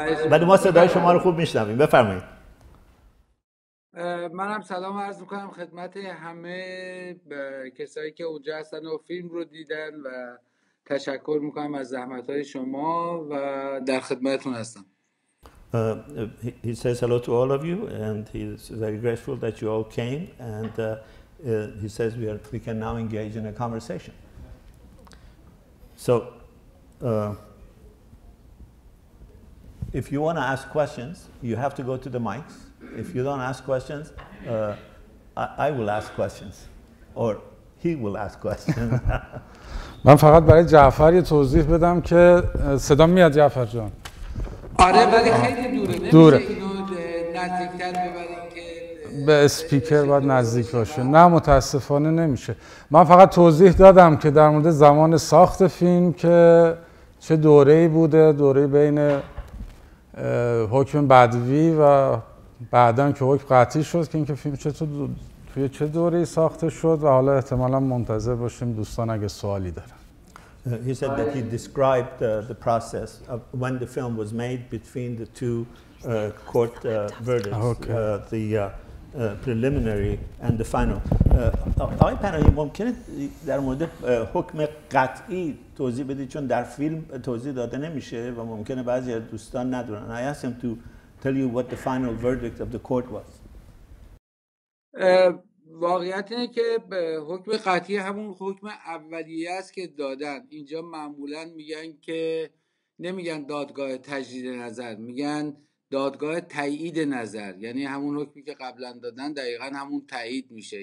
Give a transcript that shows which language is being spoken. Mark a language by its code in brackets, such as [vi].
[fa] ولی ما صدای شما رو خوب میشنویم. بفرمایید. منم سلام عرض میکنم خدمت همه کسایی که اونجا هستن و فیلم رو دیدن و تشکر میکنم از زحمتهای شما و در خدمتتون هستم. [en] He says hello to all of you, and he's very grateful that you all came. And he says we can now engage in a conversation. So, if you want to ask questions, you have to go to the mics. If you don't ask questions, I will ask questions, or he will ask questions. [fa] من فقط برای جعفر یه توضیح بدم که صدا میاد جعفر جان. آره ولی خیلی دوره. نمیشه اینو نزدیکتر ببریم که به اسپیکر باید نزدیک باشه. نه متاسفانه نمیشه. من فقط توضیح دادم که در مورد زمان ساخت فیلم که چه دوره‌ای بوده، دوره بین حکم بدوی و بعداً که حکم قطعی شد که اینکه فیلم توی چه دوره‌ای ساخته شد و حالا احتمالاً منتظر باشیم دوستان اگه سوالی دارن. [en] He said that he described the process of when the film was made between the two court verdicts, okay. Preliminary and the final. [fa] آقای پناهی ممکنه در مورد حکم قطعی توضیح بدید چون در فیلم توضیح داده نمیشه و ممکنه بعضی از دوستان ندونن. [en] I asked him to tell you what the final verdict of the court was. [fa] واقعیت اینه که حکم قطعی همون حکم اولیه است که دادن. اینجا معمولا میگن که نمیگن دادگاه تجدید نظر، میگن دادگاه تایید نظر، یعنی همون حکمی که قبلا دادن دقیقا همون تایید میشه.